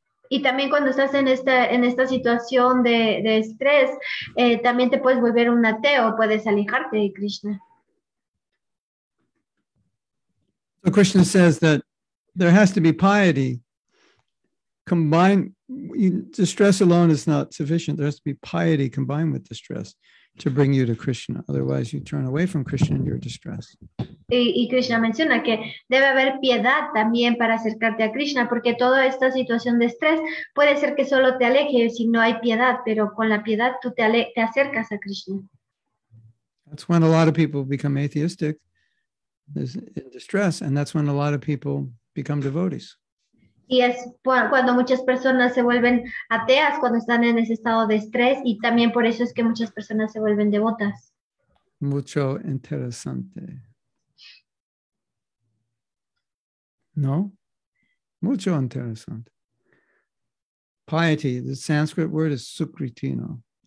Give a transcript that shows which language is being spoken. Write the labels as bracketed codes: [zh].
[es] Y también cuando estás en esta situación de estrés, también te puedes volver un ateo. Puedes alejarte de Krishna. [en] So Krishna says that there has to be piety. Combined, distress alone is not sufficient. There has to be piety combined with distress to bring you to Krishna. Otherwise, you turn away from Krishna in your distress. [es] Y Krishna menciona que debe haber piedad también para acercarte a Krishna, porque toda esta situación de estrés puede ser que solo te aleje si no hay piedad, pero con la piedad tú te acercas a Krishna. [en] That's when a lot of people become atheistic. Is in distress, and that's when a lot of people become devotees. [es] Y es cuando muchas personas se vuelven ateas, cuando están en ese estado de estrés, y también por eso es que muchas personas se vuelven devotas. Mucho interesante. No? Mucho interesante. [en] Piety, the Sanskrit word is sukritino.